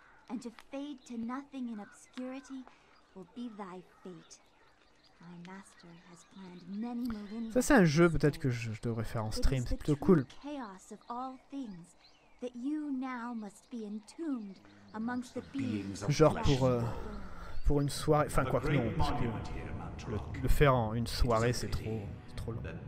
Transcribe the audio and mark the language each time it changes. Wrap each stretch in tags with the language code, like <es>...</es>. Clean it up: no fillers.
<en>And to fade to nothing in obscurity will be thy fate. My master has planned many millennia.</en> <fr>Ça, c'est un jeu peut-être que je devrais faire en stream, c'est plutôt cool.</fr> <en>Chaos of all things that you now must be entombed amongst the beings.</en> <fr>Genre pour une soirée, enfin quoi que non, parce que le faire en une soirée, c'est trop long.</fr>